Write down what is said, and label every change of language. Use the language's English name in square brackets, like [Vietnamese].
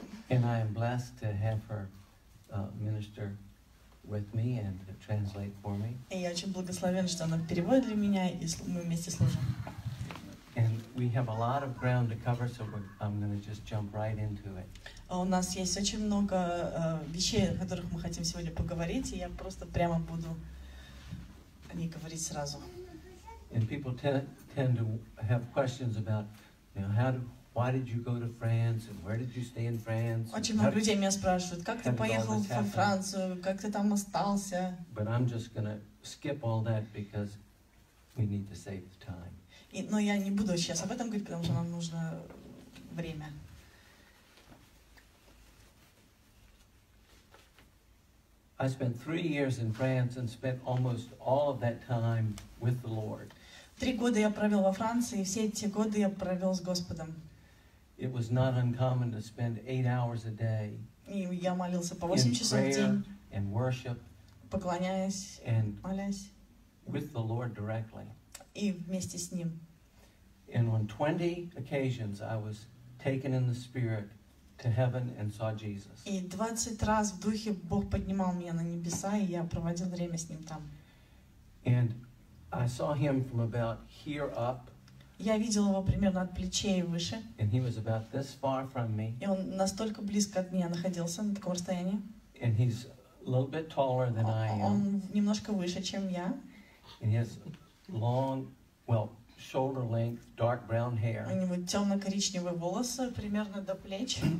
[English] And I am blessed to have her minister with me and to translate for me. [Russian] И я очень благословен, что она переводит для меня, и мы вместе служим. [English] And we have a lot of ground to cover, so I'm going to just jump right into it. [Russian] У нас есть очень много вещей, о которых мы хотим сегодня поговорить, и я просто прямо буду о них говорить сразу. [English] And people tend to have questions about, you know, why did you go to France, and where did you stay in France? [Russian] Очень много людей меня спрашивают, как ты поехал во Францию, как ты там остался? [English] But I'm just going to skip all that because we need to save the time. [Russian] Но я не буду сейчас об этом говорить, потому что нам нужно время. [English] I spent 3 years in France and spent almost all of that time with the Lord. [Russian] 3 года я провел во Франции, и все эти годы я провел с Господом. [English] It was not uncommon to spend 8 hours a day. [Russian] И я молился по 8 часов в день. [English] And worship. [Russian] Поклоняясь. [English] And [Russian] молясь. [English] With the Lord directly. [Russian] И вместе с ним. [English] And on 20 occasions I was taken in the Spirit to heaven and saw Jesus. [Russian] И 20 раз в духе Бог поднимал меня на небеса, и я проводил время с ним там. [English] And I saw him from about here up. [Russian] Я видел его примерно от плечей выше. [English] And he was about this far from me. [Russian] И он настолько близко от меня находился на таком расстоянии. [English] And he's a little bit taller than I am. [Russian] Он немножко выше, чем я. [English] And he has long, well, shoulder length, dark brown hair. [Russian] У него темно-коричневые волосы примерно до плеч.